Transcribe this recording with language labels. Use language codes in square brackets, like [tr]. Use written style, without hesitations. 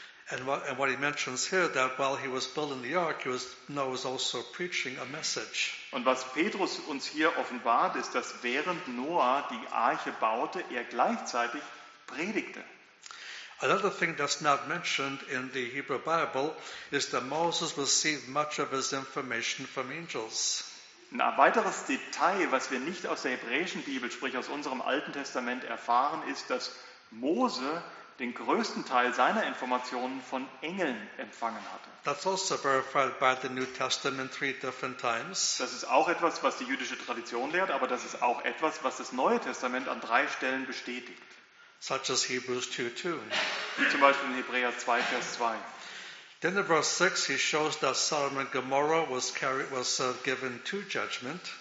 [en] And what he mentions here, that while he was building the ark, Noah was also preaching a message. [de] Und was Petrus uns hier offenbart, ist, dass während Noah die Arche baute, er gleichzeitig predigte. [en] Another thing that's not mentioned in the Hebrew Bible is that Moses received much of his information from angels. [de] Ein weiteres Detail, was wir nicht aus der hebräischen Bibel, sprich aus unserem Alten Testament, erfahren, ist, dass Mose den größten Teil seiner Informationen von Engeln empfangen hatte. [en] That's also verified by the New Testament 3 different times. [de] Das ist auch etwas, was die jüdische Tradition lehrt, aber das ist auch etwas, was das Neue Testament an 3 Stellen bestätigt. [en] Such as Hebrews 2:2. [de] Wie zum Beispiel in Hebräer 2, Vers 2. [en] Then in verse 6 he shows that Sodom and Gomorrah was given to judgment.